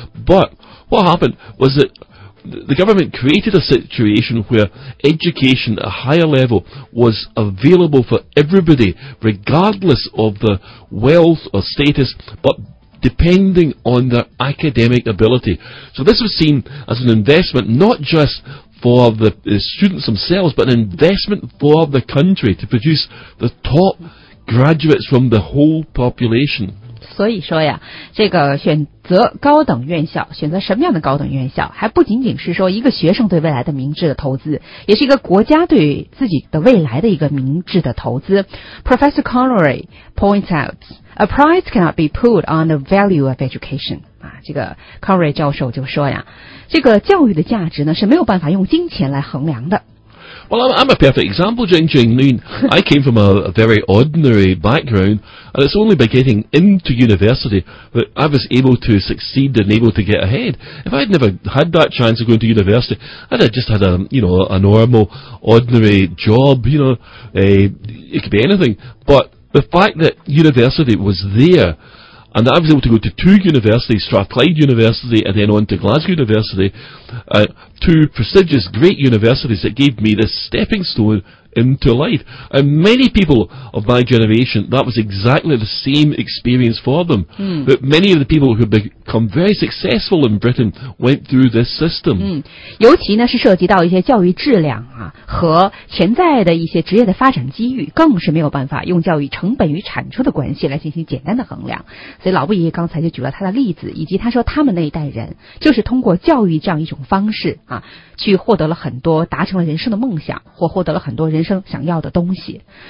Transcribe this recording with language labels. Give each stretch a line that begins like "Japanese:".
English: But what happened was that the government created a situation where education at a higher level was available for everybody, regardless of the wealth or status, but depending on their academic ability. So this was seen as an investment, not just for the students themselves, but an investment for the country to produce the top graduates from the whole population.
Chinese: 所以说呀，这个选择高等院校，选择什么样的高等院校，还不仅仅是说一个学生对未来的明智的投资，也是一个国家对自己的未来的一个明智的投资。
English: Professor Connery points out a price cannot be put on the value of education.
Chinese: 啊，这个 Connery 教授就说呀，这个教育的价值呢是没有办法用金钱来衡量的。
English: Well, I'm a perfect example, Jingjing. I mean, I came from a very ordinary background, and it's only by getting into university that I was able to succeed and able to get ahead. If I'd never had that chance of going to university, I'd have just had a normal, ordinary job, it could be anything. But the fact that university was there, and I was able to go to two universities, Strathclyde University and then on to Glasgow University, two prestigious great universities that gave me this stepping stone into life. And many people of my generation, that was exactly the same experience for them. But many of the people who become very successful in Britain went through this system.
Chinese: 尤其呢是涉及到一些教育质量啊和潜在的一些职业的发展机遇，更是没有办法用教育成本与产出的关系来进行简单的衡量。所以老布爷爷刚才就举了他的例子，以及他说他们那一代人就是通过教育这样一种方式啊，去获得了很多，达成了人生的梦想，或获得了很多人生想要的东西。